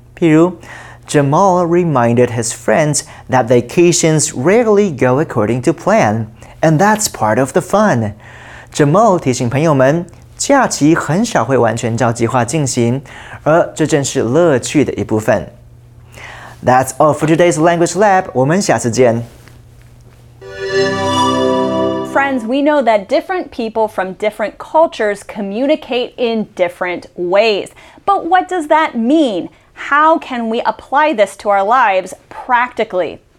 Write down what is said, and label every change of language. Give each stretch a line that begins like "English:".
Chinese: 譬如
English: ，Jamal reminded his friends that vacations rarely go according to plan, and that's part of the fun.
Chinese: Jamal 提醒朋友们，假期很少会完全照计划进行，而这正是乐趣的一部分。
English: That's all for today's language lab.
Chinese: 我们下次见。
English: Friends, we know that different people from different cultures communicate in different ways. But what does that mean? How can we apply this to our lives practically?